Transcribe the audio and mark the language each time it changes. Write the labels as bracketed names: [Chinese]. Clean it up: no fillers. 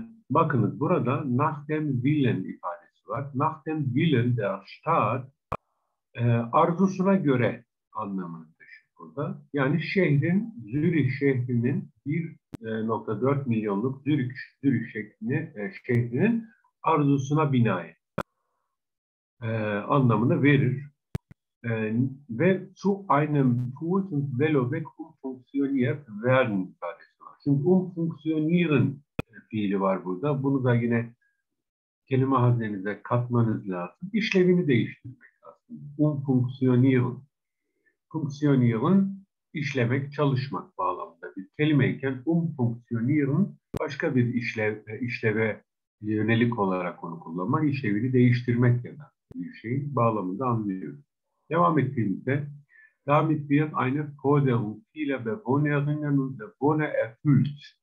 [Turkish] Bakınız burada [German] nach dem Willen [Turkish] ifadesi var. [German] Nach dem Willen der Stadt [Turkish] arzusuna göre anlamını taşıyor burada. Yani şehrin, Zürich şehrinin 1,4 milyonluk Zürich şehrini, şehrinin arzusuna binaen. Anlamını verir. Ve [German] zu einem Fuß- und Veloweg umfunktioniert werden [Turkish] ifadesi var. Şimdi umfunktionieren fiili var burada. Bunu da yine kelime haznenize katmanız lazım. İşlevini değiştirmek lazım. Umfunktionieren. Funktionieren işlemek, çalışmak bağlamında bir kelimeyken umfunktionieren başka bir işleve yönelik olarak onu kullanmak, işlevini değiştirmek ya da bir şeyin bağlamında anlıyoruz. Devam ettiğimizde [German] damit wird eine Forderung vieler Bewohnerinnen und Bewohner erfüllt.